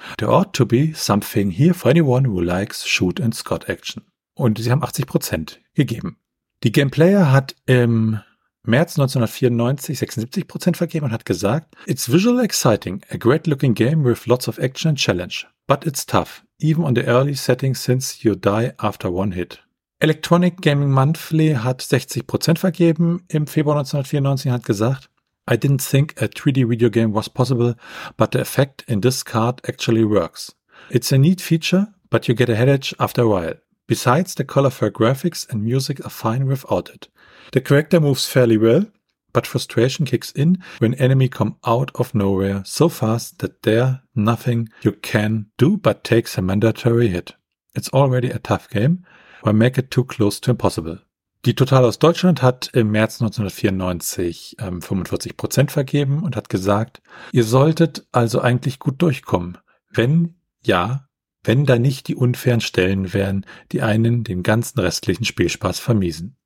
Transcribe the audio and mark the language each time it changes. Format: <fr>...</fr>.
<en>There ought to be something here for anyone who likes Shoot and Scott Action.</en> <de>Und sie haben 80% gegeben. Die Gameplayer hat im März 1994 76% vergeben und hat gesagt,</de> <en>It's visually exciting, a great looking game with lots of action and challenge. But it's tough, even on the early settings since you die after one hit. Electronic Gaming Monthly</en> <de>hat 60% vergeben im Februar 1994 und hat gesagt,</de> <en>I didn't think a 3D video game was possible, but the effect in this card actually works. It's a neat feature, but you get a headache after a while. Besides, the colorful graphics and music are fine without it. The character moves fairly well, but frustration kicks in when enemies come out of nowhere so fast that there's nothing you can do but take a mandatory hit. It's already a tough game, why make it too close to impossible?</en> <de>Die Total aus Deutschland hat im März 1994 45% vergeben und hat gesagt, ihr solltet also eigentlich gut durchkommen, wenn da nicht die unfairen Stellen wären, die einen den ganzen restlichen Spielspaß vermiesen.</de>